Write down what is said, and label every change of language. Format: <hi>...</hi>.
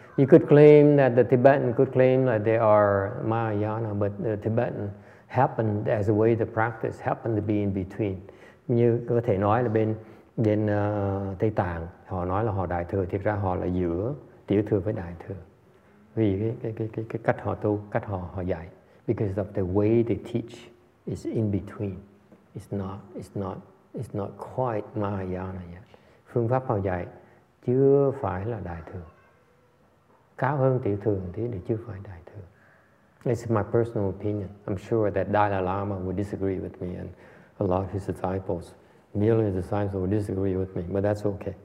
<en>You could claim that the Tibetan could claim that they are Mahayana, but the Tibetan happened as a way to practice, happened to be in between.</en> <vi>Như có thể nói là bên Tây Tạng, họ nói là họ đại thừa, thiệt ra họ là giữa tiểu thừa với đại thừa. Vì cái cách họ tu, cách họ dạy.</vi> <en>Because of the way they teach is in between. It's not quite Mahayana yet.</en> <vi>Phương pháp họ dạy chưa phải là đại thừa. Cao hơn tiểu thừa thì chưa phải đại thừa.</vi> <en>This is my personal opinion. I'm sure that Dalai Lama would disagree with me and a lot of his disciples, nearly the disciples would disagree with me, but that's okay.</en>